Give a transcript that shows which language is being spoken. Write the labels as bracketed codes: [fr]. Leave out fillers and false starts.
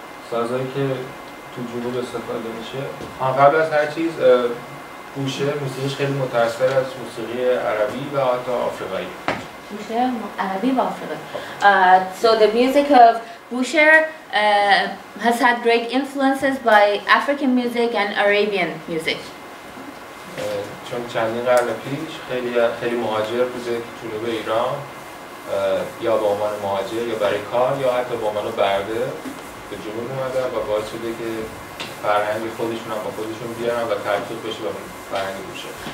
[fa] سازهایی که تو جنوب استفاده میشه. هم قبل از هر چیز بوشه موسیقیش خیلی متأثر از موسیقی عربی و حتی آفریقایی. بوشه عربی و آفریقایی. [en] So the music of Boucher has had great influences by African music and Arabian music. [fa] چون چندین قرن پیش خیلی مهاجر بوده که جنوب ایران یا با عنوان مهاجر یا برای کار یا حتی با عنوان برده به جنوب اومده و باعث شده که فرهنگ خودشون هم با خودشون بیارن و تلفیق بشه و فرهنگی بشه.